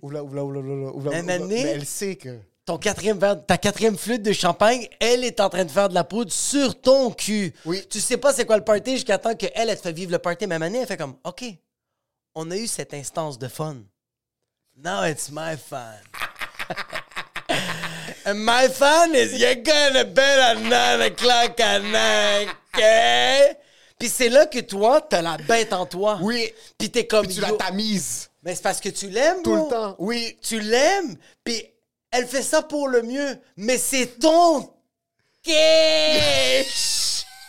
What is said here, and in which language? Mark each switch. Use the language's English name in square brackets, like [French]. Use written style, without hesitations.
[French] Ouvre-la. Mais elle sait que. Ton quatrième verre, ta quatrième flûte de champagne, elle est en train de faire de la poudre sur ton cul. Oui. Tu sais pas c'est quoi le party jusqu'à temps qu'elle, elle te fait vivre le party. Mais elle fait comme, OK, on a eu cette instance de fun. [English] Now it's my fun. And my fun is you're gonna bed at 9 o'clock at night, okay? [French] Pis c'est là que toi, t'as la bête en toi. Oui. Pis t'es comme... Pis tu la tamises. Mais c'est parce que tu l'aimes, tout le temps, oui. Tu l'aimes, pis elle fait ça pour le mieux. Mais c'est ton cash!